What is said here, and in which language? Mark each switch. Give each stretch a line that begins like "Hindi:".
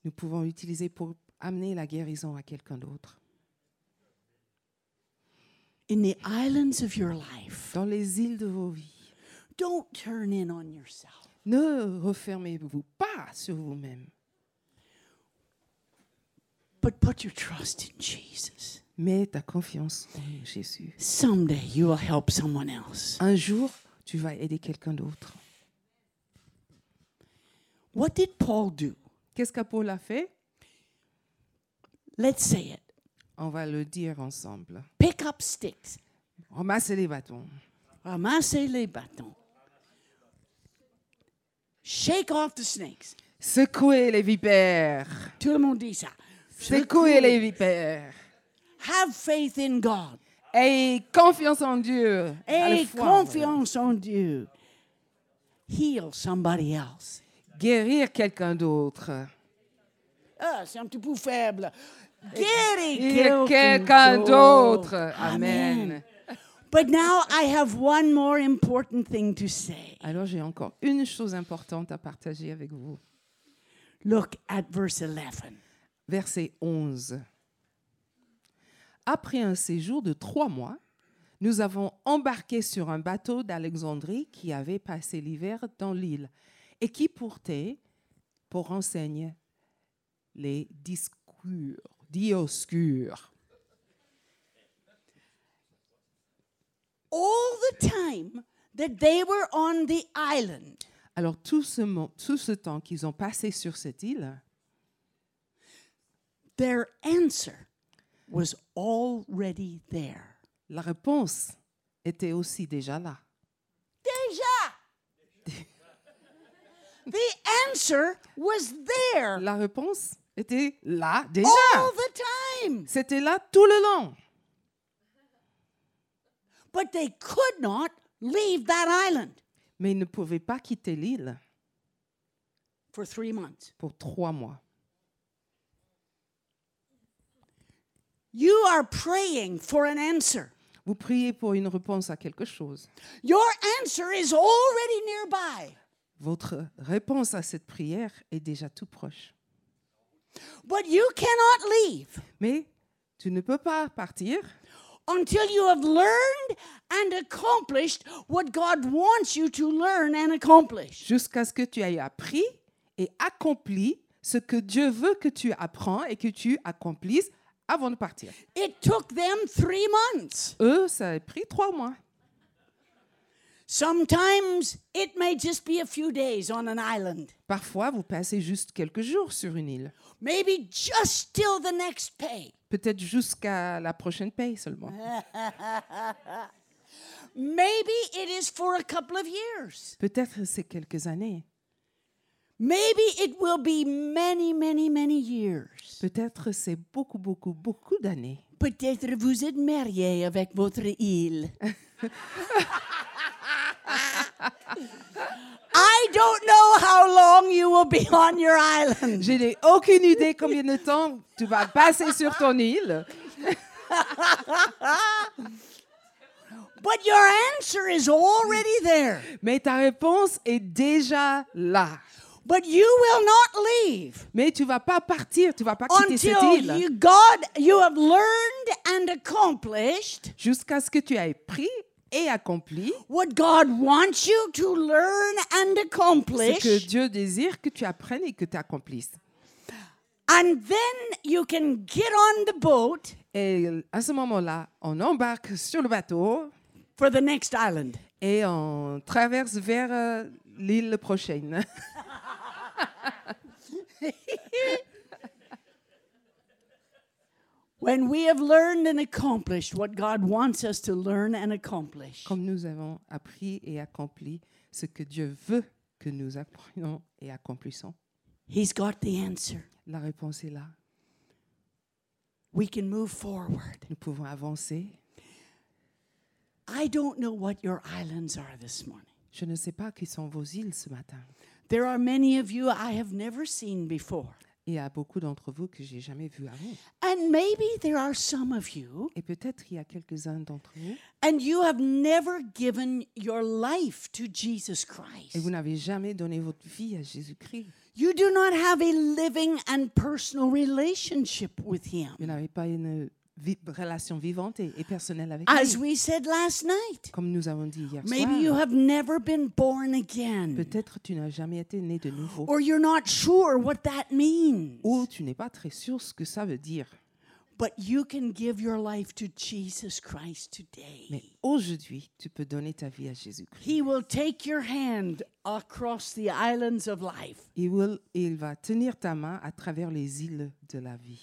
French: Nous pouvons utiliser pour amener la guérison à quelqu'un d'autre.
English: In the islands of your life.
French: Dans les îles de vos vies.
English: Don't turn in on yourself.
French: Ne refermez-vous pas sur vous-même.
English: But put your trust in Jesus.
French: Mets ta confiance en Jésus.
English: Someday you will help someone else.
French: Un jour, tu vas aider quelqu'un d'autre.
English: What did Paul do?
French: Qu'est-ce que Paul a fait?
English: Let's say it.
French: On va le dire ensemble.
English: Pick up sticks.
French: Ramasser les bâtons. Ramasser les bâtons.
English: Shake off the snakes.
French: Secouer les vipères. Tout le monde dit ça. Secouer les vipères.
English: Have faith in God.
French: Et confiance en Dieu. Et confiance en Dieu.
English: Heal somebody else.
French: Guérir quelqu'un d'autre. Ah, c'est un petit peu faible. Guérir quelqu'un d'autre. Amen.
English: But now I have one more important thing to say.
French: Alors j'ai encore une chose importante à partager avec vous.
English: Look at verse 11.
French: Verset 11. Après un séjour de 3 mois, nous avons embarqué sur un bateau d'Alexandrie qui avait passé l'hiver dans l'île et qui portait pour enseigne les discours Dioscure.
English: All the time that they were on the island.
French: Alors tout ce temps qu'ils ont passé sur cette île.
English: Their answer was already there.
French: La réponse était aussi déjà là. Déjà.
English: The answer was there.
French: La réponse était là déjà.
English: All the time.
French: C'était là tout le long.
English: But they could not leave that island.
French: Mais ils ne pouvaient pas quitter l'île.
English: For 3 months.
French: Pour 3 mois.
English: You are praying for an answer.
French: Vous priez pour une réponse à quelque chose.
English: Your answer is already nearby.
French: Votre réponse à cette prière est déjà tout proche.
English: But you cannot leave.
French: Mais tu ne peux pas partir.
English: Until you have learned and accomplished what God wants you to learn and accomplish.
French: Jusqu'à ce que tu aies appris et accompli ce que Dieu veut que tu apprends et que tu accomplisses. Avant de partir.
English: It took them 3 months.
French: Eux, ça a pris 3 mois.
English: Sometimes it may just be a few days on an island.
French: Parfois, vous passez juste quelques jours sur une île.
English: Maybe just till the next pay.
French: Peut-être jusqu'à la prochaine paye seulement.
English: Maybe it is for a couple of years.
French: Peut-être c'est quelques années.
English: Maybe it will be many, many, many years.
French: Peut-être c'est beaucoup, beaucoup, beaucoup d'années. peut-être vous êtes marié avec votre île.
English: I don't know how long you will be on your island.
French: Je n'ai aucune idée combien de temps tu vas passer sur ton île.
English: But your answer is already there.
French: Mais ta réponse est déjà là.
English: But you will not leave.
French: Mais tu vas pas partir, tu vas pas quitter cette île.
English: Until you, God, you have learned and accomplished.
French: Jusqu'à ce que tu aies pris et accompli.
English: What God wants you to learn and accomplish.
French: Ce que Dieu désire que tu apprennes et que tu accomplisses.
English: And then you can get on the boat.
French: Et à ce moment-là, on embarque sur le bateau.
English: For the next island.
French: Et on traverse vers l'île prochaine.
English: When we have learned and accomplished what God wants us to learn and accomplish.
French: Comme nous avons appris et accompli ce que Dieu veut que nous apprenions et accomplissons.
English: He's got the answer.
French: La réponse est là.
English: We can move forward.
French: Nous pouvons avancer.
English: I don't know what your islands are this morning.
French: Je ne sais pas qui sont vos îles ce matin.
English: There are many of you I have never seen before.
French: Il y a beaucoup d'entre vous que j'ai jamais vu avant.
English: And maybe there are some of you.
French: Et peut-être il y a quelques-uns d'entre vous.
English: And you have never given your life to Jesus Christ.
French: Et vous n'avez jamais donné votre vie à Jésus-Christ.
English: You do not have a living and personal relationship with him.
French: Vous n'avez pas une relation vivante et personnelle avec lui.
English: As we said last night.
French: Comme nous avons dit hier
English: maybe
French: soir.
English: Maybe you have never been born again.
French: Peut-être tu n'as jamais été né de nouveau.
English: Or you're not sure what that means.
French: Ou tu n'es pas très sûr ce que ça veut dire.
English: But you can give your life to Jesus Christ today.
French: Mais aujourd'hui, tu peux donner ta vie à Jésus-Christ.
English: He will take your hand across the islands of life.
French: Il va tenir ta main à travers les îles de la vie.